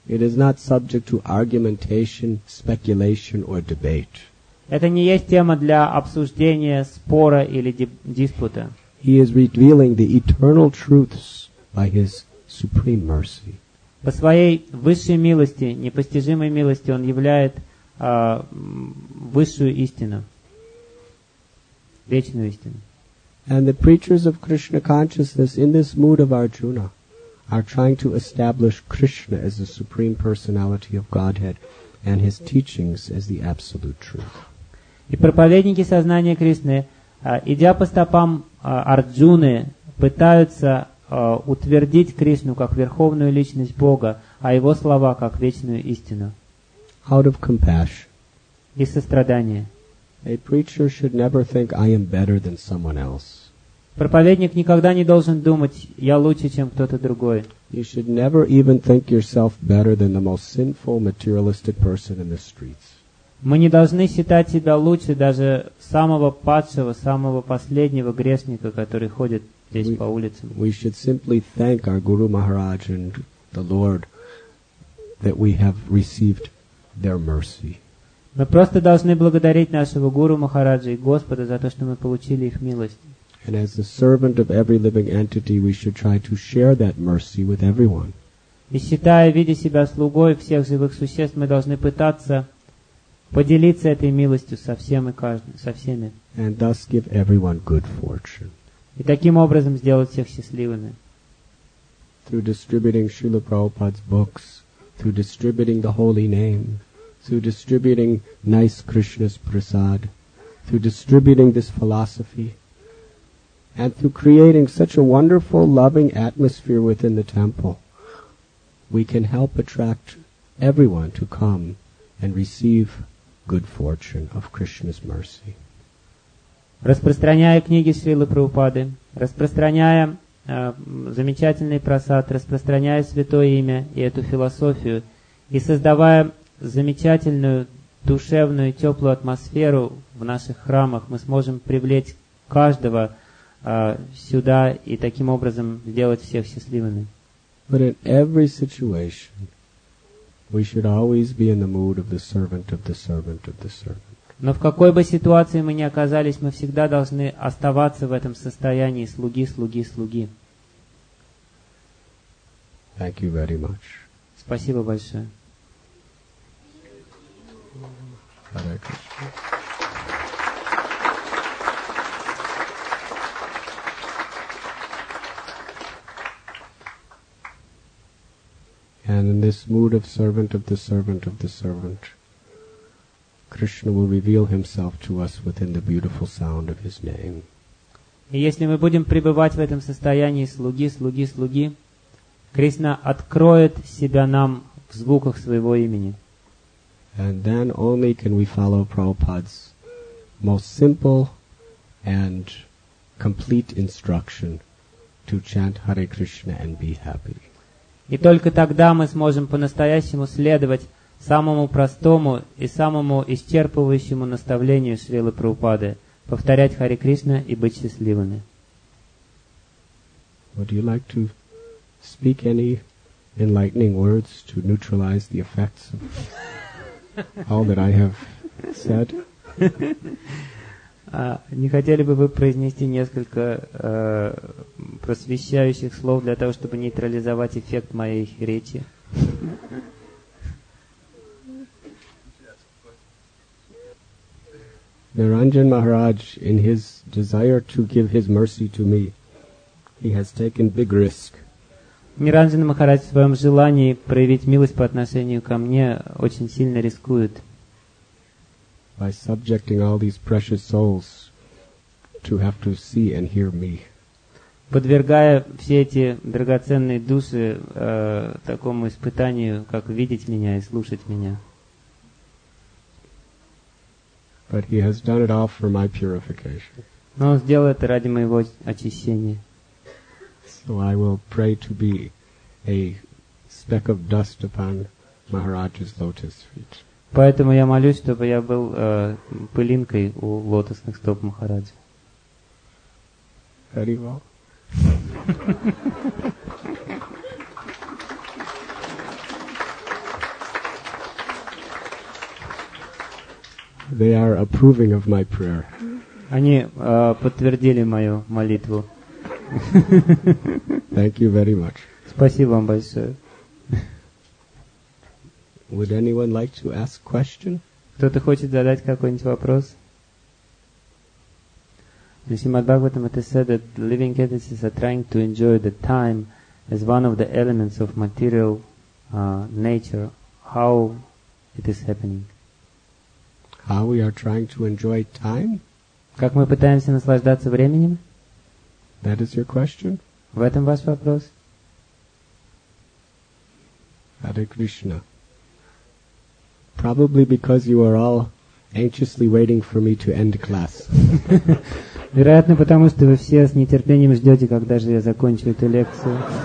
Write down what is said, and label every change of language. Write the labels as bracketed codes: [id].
[en] It is not subject to argumentation, speculation or debate. [ru] Это не есть тема для обсуждения, спора или диспута. [en] He is revealing the eternal truths by his supreme mercy. [ru] По своей высшей милости, непостижимой милости, он являет высшую истину, вечную истину. [en] And the preachers of Krishna consciousness in this mood of Arjuna are trying to establish Krishna as the supreme personality of Godhead and his teachings as the absolute truth. [ru] И проповедники сознания Кришны, идя по стопам Арджуны, пытаются утвердить Кришну как верховную личность Бога, а его слова как вечную истину. [en] Out of compassion. [ru] Из сострадания. [en] A preacher should never think I am better than someone else. [ru] Проповедник никогда не должен думать, я лучше, чем кто-то другой. [en] You should never even think yourself better than the most sinful materialistic person in the streets. [ru] Мы не должны считать себя лучше даже самого падшего, самого последнего грешника, который ходит здесь по улицам. [en] We should simply thank our Guru Maharaj and the Lord that we have received their mercy. [ru] Мы просто должны благодарить нашего Гуру Махараджа и Господа за то, что мы получили их милость. [en] And as the servant of every living entity, we should try to share that mercy with everyone. [ru] И считая, видя себя слугой всех живых существ, мы должны пытаться поделиться этой милостью со всем и каждым, со всеми. [en] And thus give everyone good fortune. [ru] И таким образом сделать всех счастливыми. [en] through distributing Srila Prabhupada's books, through distributing the holy name, through distributing nice Krishna's prasad, through distributing this philosophy, and through creating such a wonderful, loving atmosphere within the temple, we can help attract everyone to come and receive good fortune of Krishna's mercy. [ru] Распространяя книги Шрилы Прабхупады, распространяя замечательный просад, распространяя святое имя и эту философию, и создавая замечательную, душевную, теплую атмосферу в наших храмах, мы сможем привлечь каждого сюда и таким образом сделать всех счастливыми. [en] But in every situation, we should always be in the mood of the servant of the servant of the servant. [ru] Но в какой бы ситуации мы ни оказались, мы всегда должны оставаться в этом состоянии слуги, слуги, слуги. [en] Thank you very much. [ru] Спасибо большое. [en] Hare Krishna. And in this mood of servant of the servant of the servant, Krishna will reveal himself to us within the beautiful sound of his name. [ru] И если мы будем пребывать в этом состоянии слуги, слуги, слуги, Кришна откроет себя нам в звуках своего имени. [en] And then only can we follow Prabhupada's most simple and complete instruction to chant Hare Krishna and be happy. [ru] И только тогда мы сможем по-настоящему следовать самому простому и самому исчерпывающему наставлению Шрилы Прабхупады — повторять Харе Кришна и быть счастливыми. [en] Would you like to speak any enlightening words to neutralize the effects of all that I have said? [ru] Не хотели бы вы произнести несколько просвещающих слов для того, чтобы нейтрализовать эффект моей речи? [en] Niranjan Maharaj, in his desire to give his mercy to me, he has taken big risk. [ru] Niranjan Maharaj, в своем желании проявить милость по отношению ко мне, очень сильно рискует. [en] By subjecting all these precious souls to have to see and hear me. [ru] Подвергая все эти драгоценные души такому испытанию, как видеть меня и слушать меня. [en] But he has done it all for my purification. [ru] Но он сделал это ради моего очищения. [en] So I will pray to be a speck of dust upon Maharaj's lotus feet. [ru] Поэтому я молюсь, чтобы я был пылинкой у лотосных стоп Махараджи. [en] Very well. They are approving of my prayer. [ru] Они подтвердили мою молитву. [en] Thank you very much. [ru] Спасибо вам большое. [en] Would anyone like to ask question? [ru] Кто-то хочет задать какой-нибудь вопрос? [en] Srimad Bhagavatam, it is said that living entities are trying to enjoy the time as one of the elements of material nature. How it is happening? How we are trying to enjoy time? [ru] Как мы пытаемся наслаждаться временем? [en] That is your question? [ru] В этом ваш вопрос? [en] Hare Krishna. Probably because you are all anxiously waiting for me to end class. [ru] Вероятно, потому что вы все с нетерпением ждете, когда же я закончу эту лекцию.